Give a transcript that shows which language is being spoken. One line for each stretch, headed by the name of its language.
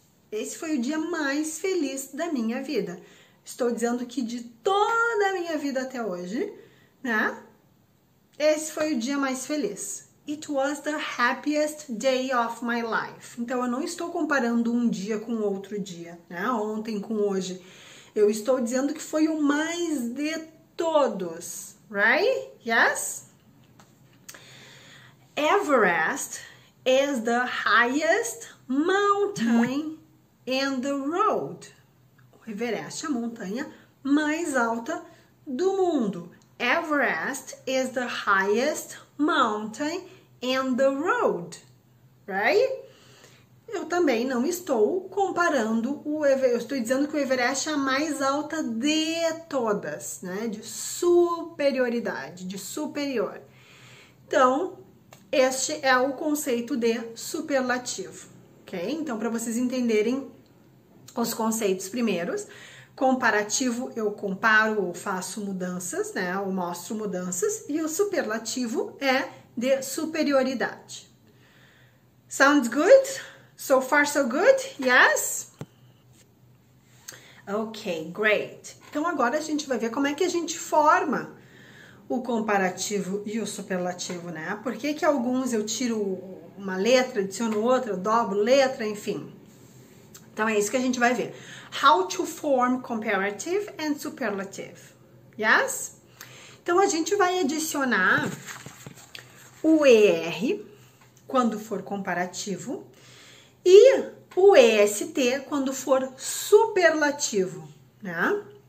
Portuguese: Esse foi o dia mais feliz da minha vida. Estou dizendo que de toda a minha vida até hoje, né? Esse foi o dia mais feliz.
English: It was the happiest day of my life.
Portuguese: Então, eu não estou comparando um dia com outro dia, né? Ontem com hoje. Eu estou dizendo que foi o mais de todos, right?
English: Yes? Everest is the highest mountain in the world.
Portuguese: O Everest é a montanha mais alta do mundo.
English: Everest is the highest mountain and the road, right?
Portuguese: Eu também não estou comparando o Everest, eu estou dizendo que o Everest é a mais alta de todas, né? De superioridade, de superior. Então, este é o conceito de superlativo, ok? Então, para vocês entenderem os conceitos primeiros, comparativo, eu comparo ou faço mudanças, né? Ou mostro mudanças, e o superlativo é de superioridade.
English: Sounds good? So far, so good? Yes? Okay, great.
Portuguese: Então, agora a gente vai ver como é que a gente forma o comparativo e o superlativo, né? Por que que alguns eu tiro uma letra, adiciono outra, dobro letra, enfim. Então, é isso que a gente vai ver.
English: How to form comparative and superlative. Yes?
Portuguese: Então, a gente vai adicionar o ER, quando for comparativo, e o EST, quando for superlativo, né?